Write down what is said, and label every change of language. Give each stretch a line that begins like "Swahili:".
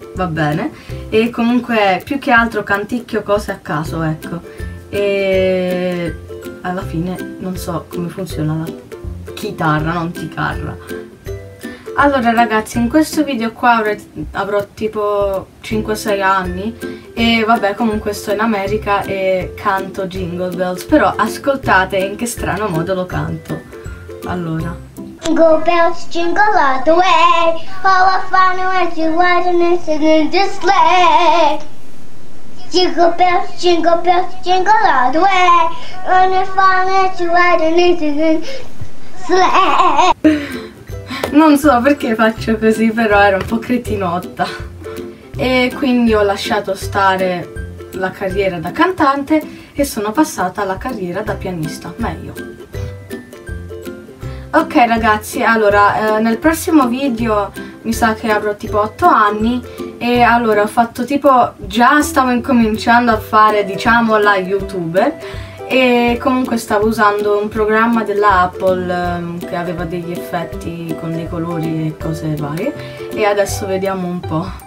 Italian: Va bene, e comunque più che altro canticchio cose a caso, ecco, e alla fine non so come funziona la chitarra, non chitarra. Allora ragazzi, in questo video qua avrò tipo 5-6 anni e vabbè, comunque sto in America e canto Jingle Bells, però ascoltate in che strano modo lo canto. Allora:
English: Jingle bells, jingle all the way. All the fun as you ride in a sleigh. Jingle bells, jingle bells, jingle all the way. All the fun as you ride in a sleigh.
Italian: Non so perché faccio così, però era un po' cretinotta. E quindi ho lasciato stare la carriera da cantante e sono passata alla carriera da pianista, meglio. Ok ragazzi, allora nel prossimo video mi sa che avrò tipo 8 anni e allora ho fatto tipo, già stavo incominciando a fare diciamo la YouTuber e comunque stavo usando un programma della Apple che aveva degli effetti con dei colori e cose varie e adesso vediamo un po'.